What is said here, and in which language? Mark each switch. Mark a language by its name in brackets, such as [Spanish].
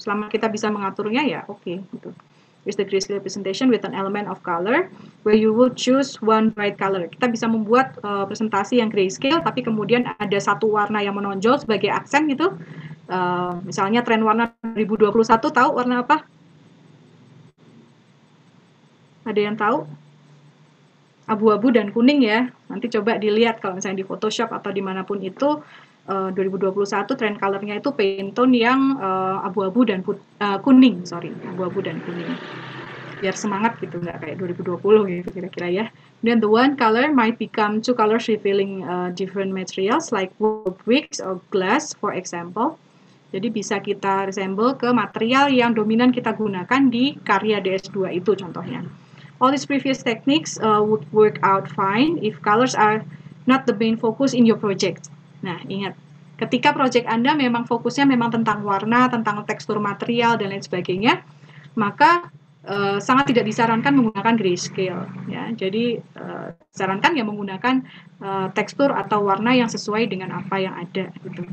[Indonesian] Selama kita bisa mengaturnya ya okay, gitu. [English] Is the grayscale presentation with an element of color where you will choose one bright color. [Indonesian] Kita bisa membuat presentasi yang grayscale tapi kemudian ada satu warna yang menonjol sebagai aksen gitu. Misalnya tren warna 2021 tahu warna apa? Ada yang tahu? Abu-abu dan kuning ya. Nanti coba dilihat kalau misalnya di Photoshop atau dimanapun itu 2021 tren color-nya itu paint tone yang abu-abu dan kuning, sorry, abu-abu dan kuning. Biar semangat gitu, nggak kayak 2020 gitu kira-kira ya. [English] Then the one color might become two colors revealing different materials like wood bricks or glass for example. [Indonesian] Jadi bisa kita resemble ke material yang dominan kita gunakan di karya DS2 itu contohnya. [English] All these previous techniques would work out fine if colors are not the main focus in your project. [Indonesian] Nah, ingat, ketika project Anda memang fokusnya memang tentang warna, tentang tekstur material, dan lain sebagainya, maka sangat tidak disarankan menggunakan grayscale. Ya. Jadi, sarankan ya menggunakan tekstur atau warna yang sesuai dengan apa yang ada. Gitu.